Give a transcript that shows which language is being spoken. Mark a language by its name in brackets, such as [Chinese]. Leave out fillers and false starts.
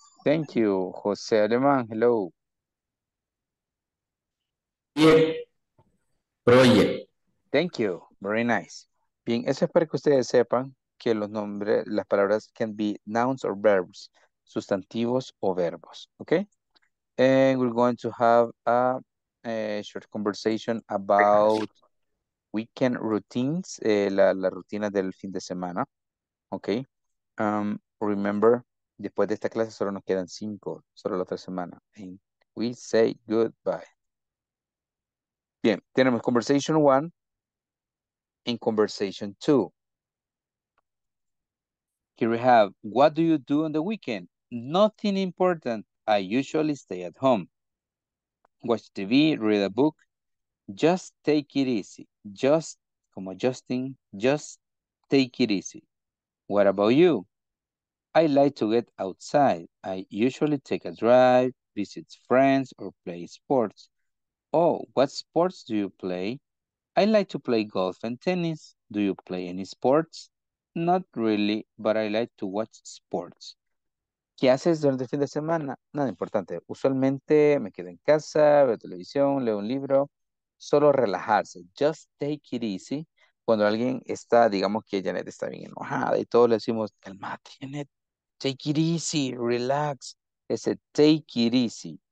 [English] Thank you. José Alemán, hello. Yeah. Project. Thank you. Very nice. [Spanish] Bien, eso es para que ustedes sepan que los nombres, las palabras [English] can be nouns or verbs, [Spanish] sustantivos o verbos, okay? [English] And we're going to have a short conversation about weekend routines, [Spanish] la rutina del fin de semana, [English] okay? Remember, [Spanish] después de esta clase solo nos quedan 5, solo la otra semana. [English] And we say goodbye. [Spanish] Bien, tenemos [English] conversation 1 and conversation 2. Here we have, what do you do on the weekend? Nothing important. I usually stay at home. Watch TV, read a book. Just take it easy. Just, como Justin, just take it easy. What about you? I like to get outside. I usually take a drive, visit friends, or play sports. Oh, what sports do you play? I like to play golf and tennis. Do you play any sports? Not really, but I like to watch sports. [Spanish] ¿Qué haces durante el fin de semana? Nada importante. Usualmente me quedo en casa, veo televisión, leo un libro. Solo relajarse. [English] Just take it easy. [Spanish] Cuando alguien está, digamos que Janet está bien enojada y todo, le decimos, calmate, Janet. [English] Take it easy, relax. [Spanish] Ese [English] take it easy.